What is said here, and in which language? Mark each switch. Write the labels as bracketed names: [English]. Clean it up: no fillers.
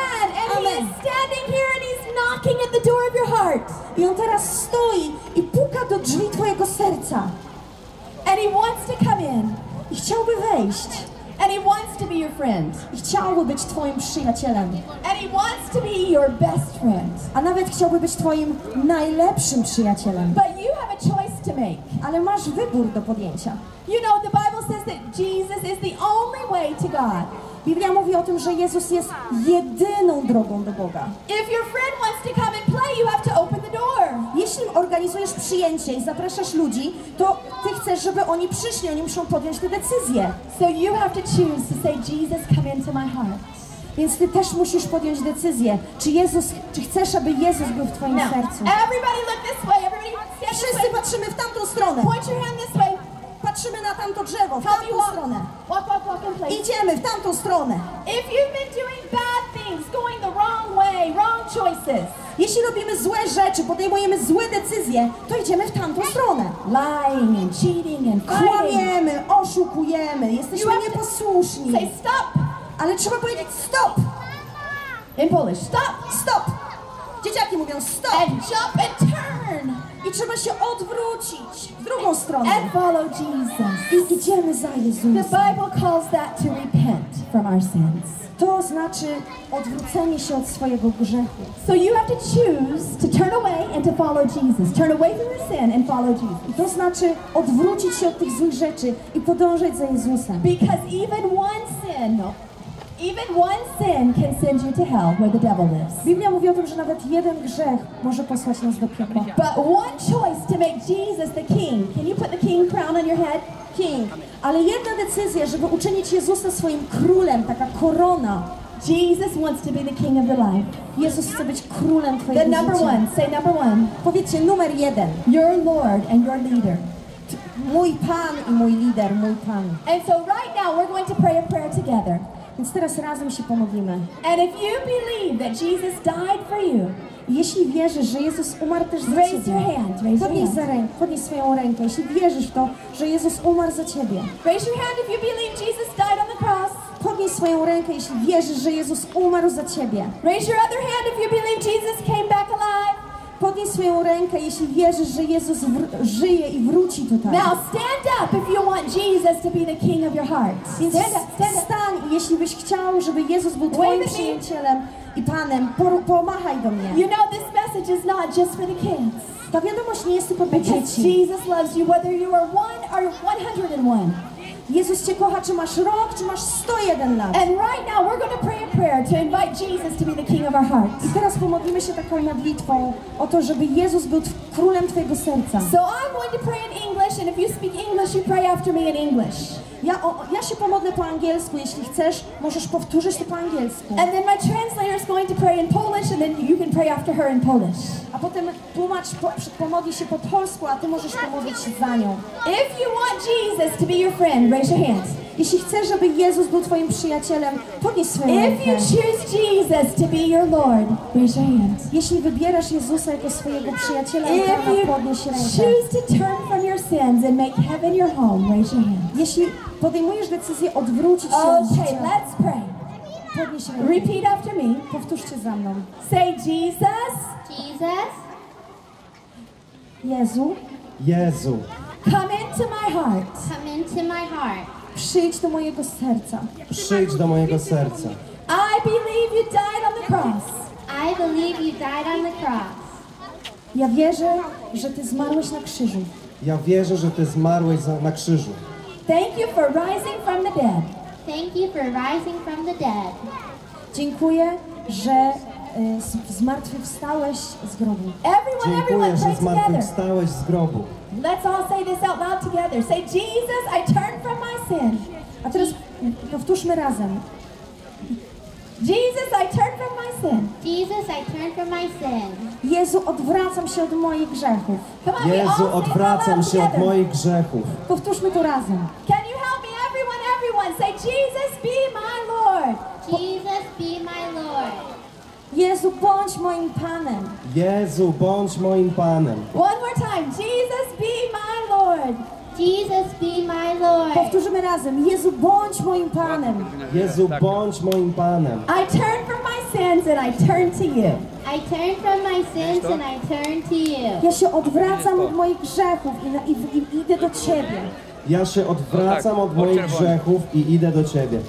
[English] And Amen. He is standing here and he's knocking at the door of your heart. [Polish] I on teraz stoi i puka do drzwi twojego serca. [English] And he wants to come in. [Polish] I chciałby wejść. [English] And he wants to be your friend. [Polish] I chciałby być twoim przyjacielem. [English] And he wants to be your best friend. [Polish] A nawet chciałby być twoim najlepszym przyjacielem. [English] But you have a choice to make. [Polish] Ale masz wybór do podjęcia. [English] You know, the Bible says that Jesus is the only way to God. [Polish] Biblia mówi o tym, że Jezus jest jedyną drogą do Boga. [English] If your friend wants to come and play, you have to open the door. [Polish] Jeśli organizujesz przyjęcie i zapraszasz ludzi, to ty chcesz, żeby oni przyszli, oni muszą podjąć tę decyzję. [English] So you have to choose to say Jesus come into my heart. [Polish] Więc ty też musisz podjąć decyzję, czy chcesz, aby Jezus był w twoim no. sercu. [English] Everybody look this way. Everybody stand [Polish] wszyscy [English] this way. [Polish] Patrzymy w tamtą stronę. [English] Point your hand this way. [Polish] Patrzymy na tamto drzewo, w tamtą stronę. [English] Walk in place. [Polish] Idziemy w tamtą stronę. [English] If you've been doing bad things, going the wrong way, wrong choices. [Polish] Jeśli robimy złe rzeczy, podejmujemy złe decyzje, to idziemy w tamtą stronę. [English] Lying and cheating and [Polish] kłamiemy, oszukujemy, jesteśmy nieposłuszni. [English] Say stop. [Polish] Ale trzeba powiedzieć stop. [English] In Polish. Stop. [Polish] Stop. Dzieciaki mówią stop. [English] And jump and turn. [Polish] I trzeba się odwrócić w drugą stronę. [English] And follow Jesus. [Polish] I idziemy za Jezusem. [English] The Bible calls that to repent from our sins. [Polish] To znaczy odwrócenie się od swojego grzechu. [English] So you have to choose to turn away and to follow Jesus. Turn away from your sin and follow Jesus. [Polish] I to znaczy odwrócić się od tych złych rzeczy i podążać za Jezusem. [English] Because even one sin, no. Even one sin can send you to hell where the devil lives. [Polish] Biblia mówi o tym, że nawet jeden grzech może posłać nas do piekła. [English] But one choice to make Jesus the king. Can you put the king crown on your head? [Polish] King, ale jedna decyzja, żeby uczynić Jezusa swoim królem, taka korona. [English] Jesus wants to be the king of your life. [Polish] Jezus chce być królem twojego życia. [English] The number one, say number one. [Polish] Powiedzcie numer jeden. [English] Your Lord and your leader. [Polish] Mój Pan i mój lider, mój Pan. [English] And so right now we're going to pray a prayer together. [Polish] Więc teraz razem się pomodlimy. [English] And if you believe that Jesus died for you, [Polish] jeśli wierzysz, że Jezus umarł też za [English] raise [Polish] ciebie, [English] your hand, raise [Polish] podnieś [English] your hand. [Polish] Podnieś swoją rękę, jeśli wierzysz w to, że Jezus umarł za ciebie. [English] Raise your hand if you believe Jesus died on the cross. [Polish] Podnieś swoją rękę, jeśli wierzysz, że Jezus umarł za ciebie. [English] Raise your other hand if you believe Jesus came back alive. [Polish] Podnieś swoją rękę, jeśli wierzysz, że Jezus żyje i wróci tutaj. [English] Now stand up if you want Jesus to be the king of your heart. [Polish] Stan, jeśli byś chciał, żeby Jezus był twoim przyjacielem i panem, pomachaj do mnie. [English] You know this message is not just for the kids. [Polish] Ta wiadomość nie jest tylko dla dzieci. [English] Because Jesus loves you whether you are one or 101. [Polish] Jezus cię kocha, czy masz rok, czy masz 101 lat. [English] And right now we're going to pray a prayer to invite Jesus to be the king of our hearts. [Polish] I teraz pomodlimy się taką modlitwą o to, żeby Jezus był królem twojego serca. [English] So I'm going to pray in English, and if you speak English, you pray after me in English. [Polish] Ja się pomodlę po angielsku, jeśli chcesz, możesz powtórzyć to po angielsku. [English] And then my translator is going to pray in Polish, and then you can pray after her in Polish. [Polish] A potem tłumacz pomodli się po polsku, a ty możesz pomodlić się za nią. [English] If you want Jesus to be your friend, raise your hands. [Polish] Jeśli chcesz, żeby Jezus był twoim przyjacielem, podnieś swoją rękę. [English] If you choose Jesus to be your Lord, raise your hands. [Polish] Jeśli wybierasz Jezusa jako swojego przyjaciela, prawa, podnieś rękę. [English] If you choose to turn from your sins and make heaven your home, raise your hands. [Polish] Jeśli podejmujesz decyzję odwrócić się od życia, [English] let's pray. [Polish] Podnieś rękę. [English] Repeat after me. [Polish] Powtórzcie za mną. [English] Say Jesus. Jesus. [Polish] Jezu. Jezu. [English] Come into my heart. Come into my heart. [Polish] Przyjdź do mojego serca. Przyjdź do mojego serca. [English] I believe you died on the cross. I believe you died on the cross. [Polish] Ja wierzę, że ty zmarłeś na krzyżu. Ja wierzę, że ty zmarłeś na krzyżu. [English] Thank you for rising from the dead. Thank you for rising from the dead. [Polish] Dziękuję, że zmartwychwstałeś z grobu. [English] Everyone, pray together. Let's all say this out loud together. Say, Jesus, I turn from my sin. [Polish] A teraz powtórzmy razem. [English] Jesus, I turn from my sin. Jesus, I turn from my sin. [Polish] Jezu, odwracam się od moich grzechów. [English] Come on, [Polish] Jezu, odwracam się od moich grzechów. Powtórzmy to razem. [English] Can you help me, everyone, everyone? Say, Jesus, be my Lord. Jesus, be my Lord. [Polish] Jezu, bądź moim Panem. Jezu, bądź moim Panem. [English] One more time. Jesus, be my Lord. Jesus, be my Lord. [Polish] Powtórzymy razem. Jezu, bądź moim Panem. Jezu, bądź moim Panem. [English] I turn from my sins and I turn to you. I turn from my sins and I turn to you. [Polish] Ja się odwracam od moich grzechów i idę do Ciebie. Ja się odwracam od moich grzechów i idę do Ciebie.